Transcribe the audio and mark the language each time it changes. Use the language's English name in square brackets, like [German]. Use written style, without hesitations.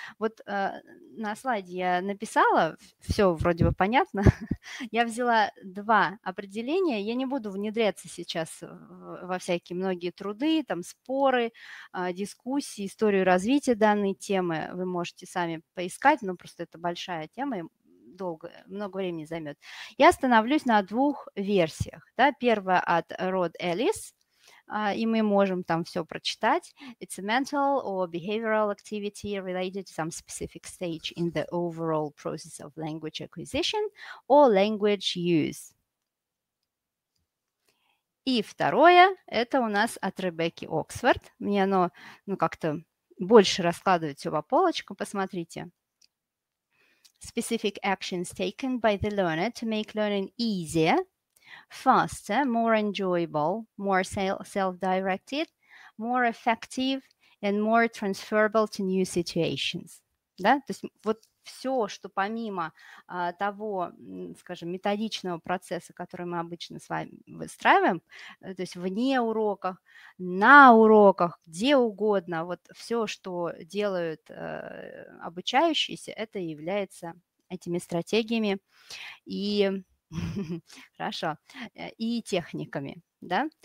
[Russian] Вот на слайде я написала, все вроде бы понятно, я взяла два определения, я не буду внедряться сейчас во всякие многие труды, там споры, дискуссии, историю развития данной темы, вы можете сами поискать, но просто это большая тема, долго, много времени займет. Я остановлюсь на двух версиях. Да? Первая от Род Эллис, и мы можем там все прочитать. [English] It's a mental or behavioral activity related to some specific stage in the overall process of language acquisition or language use. [Russian] И второе, это у нас от Ребекки Оксфорд. Мне оно ну, как-то больше раскладывает все по полочкам, посмотрите. [English] Specific actions taken by the learner to make learning easier, faster, more enjoyable, more self-directed, more effective, and more transferable to new situations. [Russian] Да? То есть вот все, что помимо того, скажем, методичного процесса, который мы обычно с вами выстраиваем, то есть вне урока, на уроках, где угодно, вот все, что делают обучающиеся, это является этими стратегиями и хорошо, и техниками. Да?